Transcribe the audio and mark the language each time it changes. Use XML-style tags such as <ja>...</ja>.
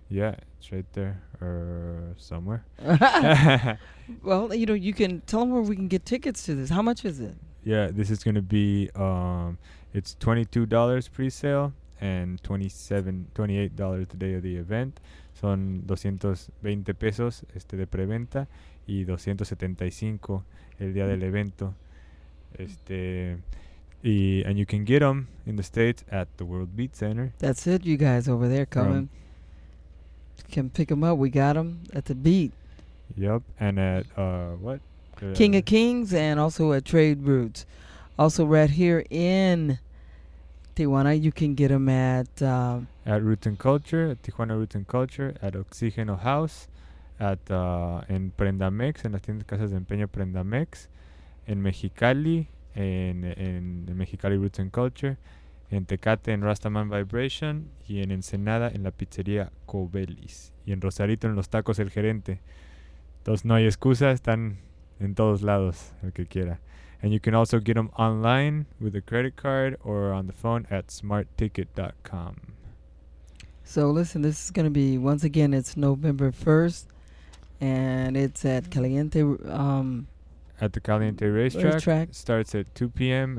<en>Yeah, it's right there or somewhere. Well, you know, you can tell them where we can get tickets to this. How much is it? Yeah, this is going to be, it's $22 pre-sale and $28 the day of the event.</en> <es>Son 220 pesos de preventa y 275 el día del evento.</es> <en>And you can get them in the States at the World Beat Center. That's it, you guys over there coming. You can pick them up. We got them at the Beat. Yep, and at what? King of Kings and also at Trade Roots. Also right here in Tijuana, you can get them at...</en> <es>at Roots and Culture, at Tijuana Roots and Culture, at Oxygeno House, at en Prendamex, en las tiendas casas de empeño Prendamex, en Mexicali, en Mexicali Roots and Culture, en Tecate, en Rastaman Vibration, y en Ensenada, en la pizzería Cobelis, y en Rosarito, en Los Tacos El Gerente. Entonces no hay excusa, están en todos lados, el que quiera.</es> <en>And you can also get them online with a credit card or on the phone at smartticket.com. So listen, this is going to be, once again, it's November 1st, and it's at Caliente. At the Caliente racetrack. Starts at 2 p.m.</en>